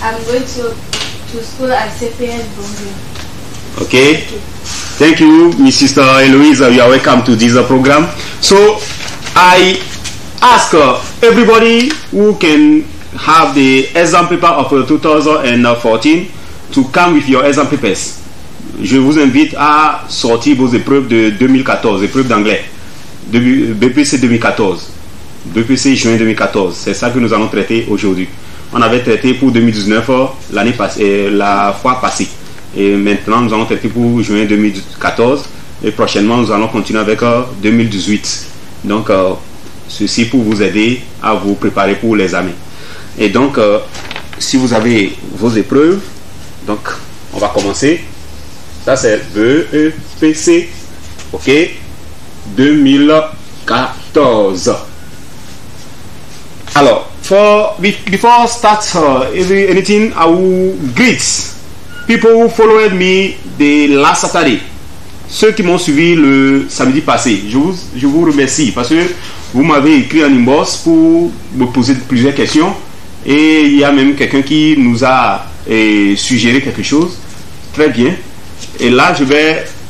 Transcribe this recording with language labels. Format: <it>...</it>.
<en>I'm going to school at CPS Bonjour. Okay. Thank you, Mrs. Sister Eloise. You are welcome to this program. So, I ask everybody who can have the exam paper of 2014 to come with your exam papers.</en> <fr>Je vous invite à sortir vos épreuves de 2014, épreuves d'anglais, BPC 2014, BPC juin 2014. C'est ça que nous allons traiter aujourd'hui. On avait traité pour 2019 l'année passée, la fois passée. Et maintenant, nous allons traiter pour juin 2014. Et prochainement, nous allons continuer avec 2018. Donc, ceci pour vous aider à vous préparer pour l'examen. Et donc, si vous avez vos épreuves, donc, on va commencer. Ça, c'est BEPC, OK, 2014.</fr> <en>Alors, before start anything, I will greet people who followed me the last Saturday.</en> <fr>Ceux qui m'ont suivi le samedi passé, je vous remercie parce que vous m'avez écrit en inbox pour me poser plusieurs questions. Et il y a même quelqu'un qui nous a suggéré quelque chose. Très bien. Et là, je vais...</fr>